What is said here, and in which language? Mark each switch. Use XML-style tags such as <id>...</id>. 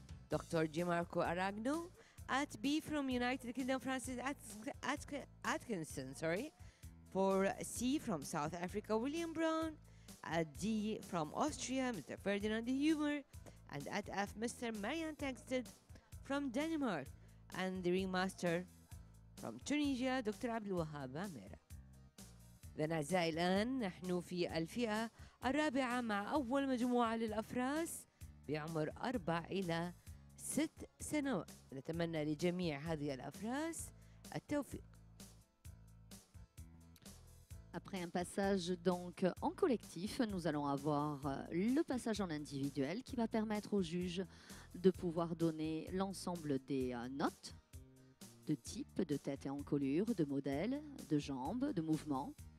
<en>Dr. Gianmarco Aragno at B from United Kingdom, Frances Atkinson, sorry, for C from South Africa, William Brown, at D from Austria, Mr. Ferdinand Hummer, and at F, Mr. Marianne Tangsted from Denmark, and the ringmaster from Tunisia, Dr. Abdel Wahab Amer. Then,</en> <ar>أعزائي الآن, نحن في الفئة الرابعة مع أول مجموعة للأفراس بعمر 4 إلى 6 سنوات. نتمنى لجميع هذه الأفراس التوفيق.</ar> <fr>Après un passage donc en collectif, nous allons avoir le passage en individuel qui va permettre aux juges de pouvoir donner l'ensemble des notes de type, de tête et encolure, de modèle, de jambes, de mouvement.</fr>